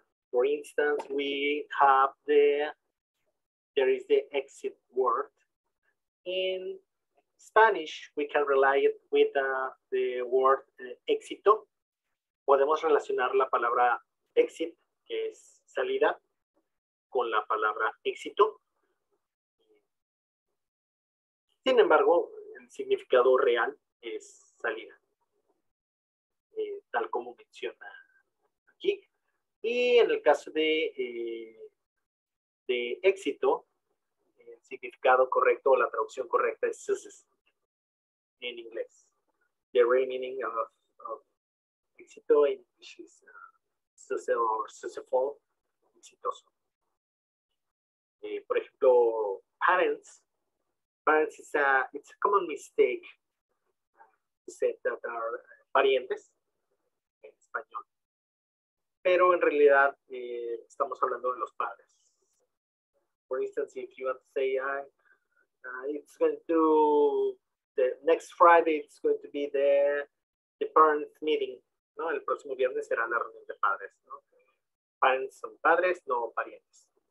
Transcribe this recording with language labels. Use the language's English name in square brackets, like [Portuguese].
[English] For instance, we have there is the exit word. In Spanish, we can rely it with the word éxito. [Spanish] Podemos relacionar la palabra exit, que es salida, con la palabra éxito. Sin embargo, el significado real es salida, tal como menciona aquí. Y en el caso de éxito, significado correcto o la traducción correcta es success en inglés. [English] The real meaning of éxito [Spanish] en inglés es [English] success or successful, exitoso. [Spanish] Por ejemplo, [English] parents is it's a common mistake to say that are parientes [Spanish] en español. Pero en realidad estamos hablando de los padres. [English] For instance, if you want to say, it's going to, the next Friday, it's going to be the parents meeting, ¿no? [Spanish] El próximo viernes será la reunión de padres, ¿no? Parents son padres, no parientes.